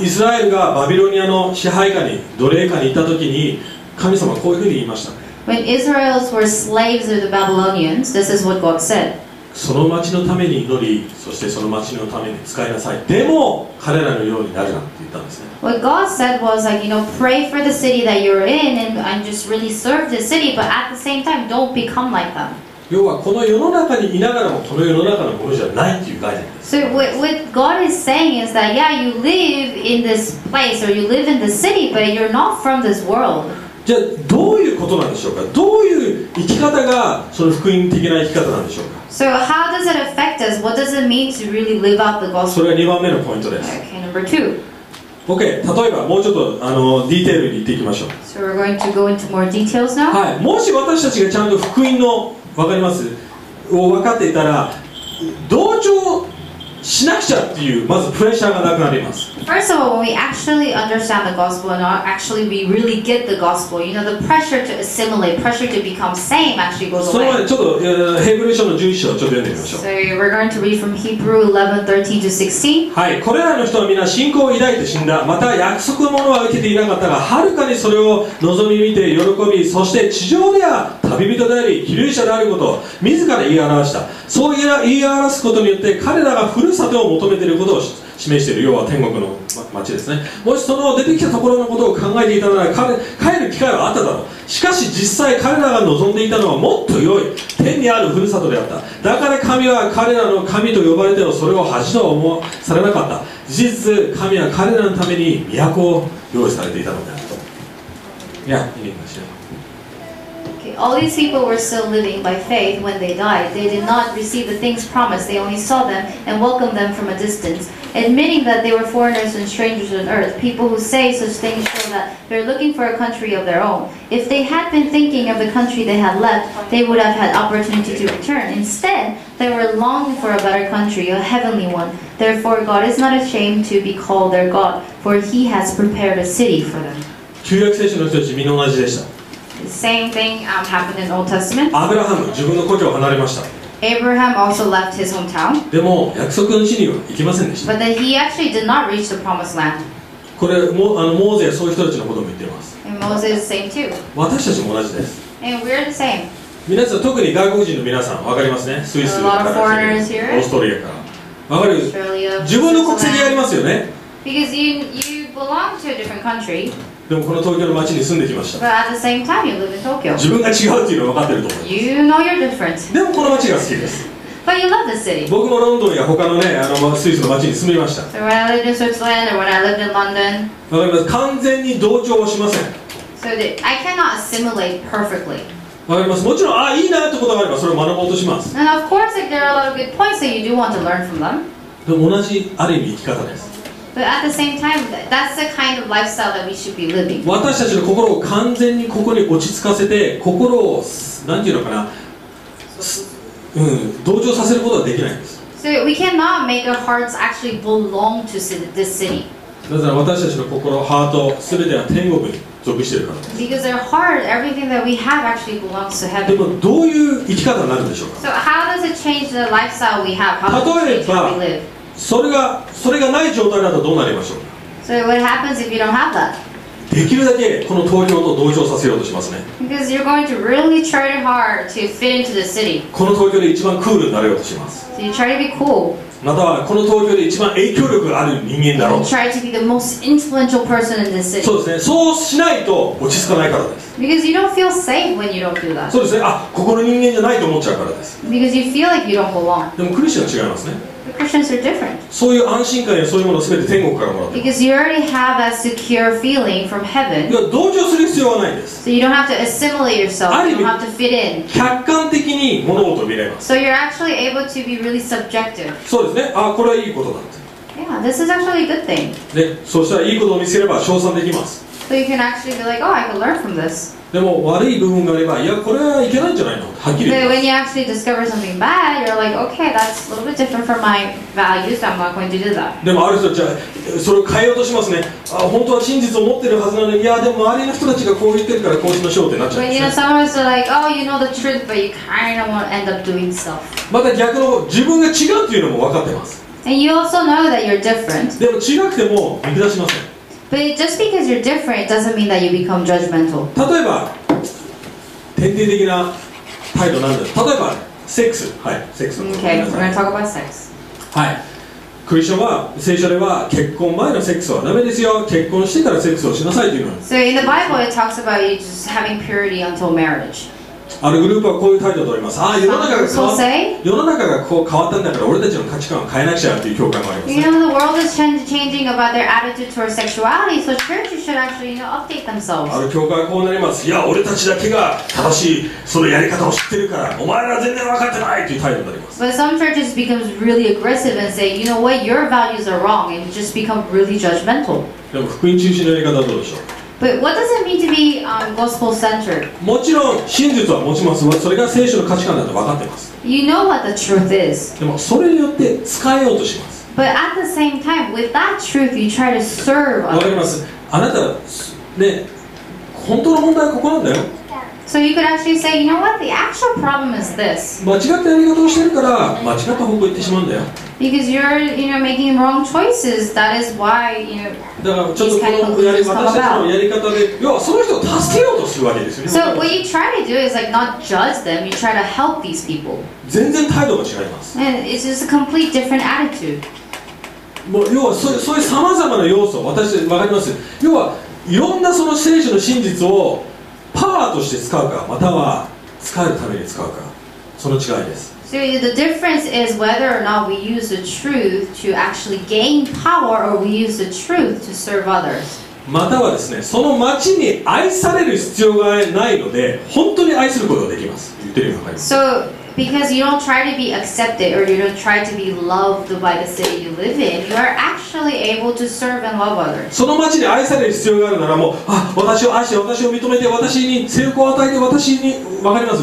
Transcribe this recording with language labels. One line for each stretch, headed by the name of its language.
Japanese: Israel がバビロニアの支配下に奴隷下に行った時に神様はこういうふうに言いました。
English: When Israel's were slaves of the Babylonians, this is what God said.
Japanese: その町のために祈り、そしてその町のために使いなさい。でも彼らのようになるなって言ったんですね。
English: What God said was like, you know, pray for the city that you're in and just really serve the city, but at the same time, don't become like them.
Japanese: 要はこの世の中にいながらもこの世の中のものじゃないっていう概念です
English: So what God is saying is that yeah, you live in this place or you live in the city, but you're not from this world.
Japanese: じゃあどういうことなんでしょうか。どういう生き方がその福音的な生き方なんでしょうか。
English: So how does it affect us? What does it mean to really live out the gospel?
Japanese: それが2番目のポイントです。
English: Okay, number two.
Japanese: Okay, 例えばもうちょっとディテールに行っていきましょう。
English: So we're going to go into more details now?
Japanese: はい、もし私たちがちゃんと福音のわかりますを分かっていたら同調しなくちゃっていうまずプレッシャーがなくなります。
English: First of all, when we actually understand the gospel and actually we really get the gospel, you know, the pressure to assimilate, pressure to become same actually goes away.
Japanese: その前にちょっとヘブル書の11章をちょっと読んでみましょう。
English: So we're going to read from Hebrew 11:13-16.
Japanese: はい、これらの人は皆信仰を抱いて死んだ。また約束のものは受けていなかったが、はるかにそれを望み見て喜び、そして地上では旅人であり居留者であることを自ら言い表した。そう言い表すことによって彼らがふるさとを求めていることを示している。要は天国の町ですね。もしその出てきたところのことを考えていたなら帰る機会はあっただろう。しかし実際彼らが望んでいたのはもっと良い天にあるふるさとであった。だから神は彼らの神と呼ばれてもそれを恥とは思わされなかった。事実神は彼らのために都を用意されていたのであると。いや、いいかしら。
English: All these people were still living by faith when they died. They did not receive the things promised. They only saw them and welcomed them from a distance, admitting that they were foreigners and strangers on earth. People who say such things show that they're looking for a country of their own. If they had been thinking of the country they had left, they would have had opportunity to return. Instead, they were longing for a better country, a heavenly one. Therefore, God is not ashamed to be called their God, for He has prepared a city for them.
Japanese: 旧約聖書の人たちみんな同じでした。
English: Same thing happened in Old Testament.
Japanese: アブラハム、自分の故郷を離れました。
English: Abraham also left his hometown.
Japanese: でも約束の地には行きませんでした。
English: But then he actually did not reach the promised land.
Japanese: これもモーゼやそういう人たちのことも言っています。
English: And Moses same too.
Japanese: 私たちも同じです。
English: And we're the same.
Japanese: 皆さん特に外国人の皆さん分かりますね。スイスから、オーストリアから。分かる。自分の国籍ありますよね。
English: Because you belong to a different country.
Japanese: でもこの東京の町に住んできました。
English: But at the same time, you live in Tokyo.
Japanese: 自分が違うっていうのは分かってると思います。
English: You know you're different.
Japanese: でもこの町が好きです。
English: But you love the city.
Japanese: 僕もロンドンや他のね、スイスの町に住みました。
English: So when I lived in Switzerland or when I lived in London.
Japanese: 分かります。完全に同調はしません。
English: So that I cannot assimilate perfectly.
Japanese: 分かります。もちろん、いいなってことがあればそれを学ぼうとします。
English: And of course, if there are a lot of good points that you do want to learn from them.
Japanese: でも同じある意味生き方です。
English: But at the same time, that's the kind of lifestyle that we should be living.
Japanese: 私たちの心を完全にここに落ち着かせて、心を何ていうのかな、同調させることはできないんです。
English: So we cannot make our hearts actually belong to this city.
Japanese: なぜなら私たちの心、ハート、すべては天国に属しているからです。
English: Because our heart, everything that we have actually belongs to heaven.
Japanese: でもどういう生き方になるんでしょうか。
English: So how does it change the lifestyle we have? How does it change how we live?
Japanese: それがない状態だとどうなりましょうか。
English: So what happens if you don't have that?
Japanese: できるだけこの東京と同調させようとしますね。
English: Because you're going to really try hard to fit into the city.
Japanese: この東京で一番クールになれようとします。
English: So you try to be cool.
Japanese: またはこの東京で一番影響力がある人間だろう。
English: You try to be the most influential person in this city.
Japanese: そうですね。そうしないと落ち着かないからです。
English: Because you don't feel safe when you don't do that.
Japanese: そうですね。ここの人間じゃないと思っちゃうからです。
English: Because you feel like you don't belong.
Japanese: でもクリスチャンは違いますね。
English: Christians are different.
Japanese: そういう安心感やそういうものすべて天国からもらって。
English: Because you already have a secure feeling from heaven.
Japanese: いや、同調する必要はないんです。
English: So you don't have to assimilate yourself. You don't have to fit in.
Japanese: 客観的に物事を見れます。
English: So you're actually able to be really subjective.
Japanese: そうですね。これはいいことだって。
English: Yeah, this is actually a good thing.
Japanese: ね、そしたらいいことを見せれば称賛できます。
English: So you can actually be like, oh, I can learn from this.
Japanese: でも悪い部分があれば、いや、これはいけないんじゃないのはっきり言います。
English: When you actually discover something bad, you're like, okay, that's a little bit different from my values, so I'm not going to do that.
Japanese: でもある人たちはそれを変えようとしますね。本当は真実を持ってるはずなのに、いや、でも周りの人たちがこう言ってるからこうしましょうってなっちゃうんですね。
English: But you know, some of us are like, oh, you know the truth, but you kind of won't end up doing stuff.
Japanese: また逆の自分が違うっていうのも分かってます。
English: And you also know that you're different.
Japanese: でも違くても見下しません。
English: But just because you're different doesn't mean that you become judgmental.
Japanese: 例えば、典型的な態度なんだ。例えば、セックス。はい、セックスの。
English: Okay, we're going to talk about sex.
Japanese: はい。クリスチャンは、聖書では結婚前のセックスはダメですよ。結婚してからセックスをしなさいというの。
English: So in the Bible, it talks about you just having purity until marriage.
Japanese: あるグループはこういう態度を取ります。ああ、世の中がこう変わったんだから俺たちの価値観を変えなくちゃという教会もあります、ね、
English: You know, the world is changing about their attitude towards sexuality, so churches should actually, you know, update themselves.
Japanese: ある教会はこうなります。いや、俺たちだけが正しいそのやり方を知ってるからお前ら全然分かってないという態度になります。
English: But some churches become really aggressive and say, you know what, your values are wrong and just become really judgmental.
Japanese: でも福音中心のやり方はどうでしょう。
English: But what does it mean to be gospel centered?
Japanese: もちろん真実は持ちます。それが聖書の価値観だと分かってます。
English: You know what the truth is.
Japanese: でもそれによって使えようとします。
English: But at the same time, with that truth, you try to serve others.
Japanese: 分かります。あなた、ね、本当の問題はここなんだよ。
English: So you could actually say, you know what, the actual problem is this.
Japanese: 間違ったやり方をしてるから、間違った方向に行ってしまうんだよ。
English: Because you're, you know, making wrong choices. That is why, you know, these kind of conclusions come about.
Japanese: だからちょっとこのやり方で、要はその人を助けようとするわけですよね。
English: So what you try to do is like not judge them. You try to help these people.
Japanese: 全然態度が違います。
English: And it's just a complete different attitude.
Japanese: もう要はそういう様々な要素、私わかります。要はいろんなその聖書の真実をパワーとして使うか、または使えるために使うか、その違いです。
English: So the difference is whether or not we use the truth to actually gain power or we use the truth to serve others.
Japanese: またはですね、その町に愛される必要がないので、本当に愛することができます。言ってるのがわかります。
English: So because you don't try to be accepted or you don't try to be loved by the city you live in, you are actually able to serve and love others.
Japanese: その町に愛される必要があるならもう、あ、私を愛して、私を認めて、私に成功を与えて、私に、わかります。